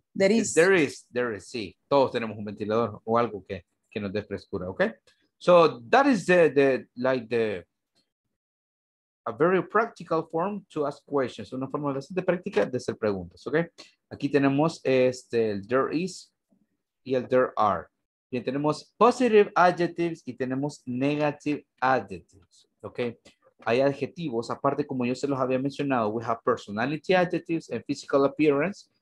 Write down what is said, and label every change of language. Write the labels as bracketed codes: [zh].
[es] Sí, todos tenemos un ventilador o algo que nos dé frescura, okay? [en] So that is a very practical form to ask questions. [es] Una forma bastante práctica de hacer preguntas, okay? Aquí tenemos el there is y el there are. Bien, tenemos positive adjectives y tenemos negative adjectives, okay? Hay adjetivos, aparte como yo se los había mencionado, we have personality adjectives and physical appearance.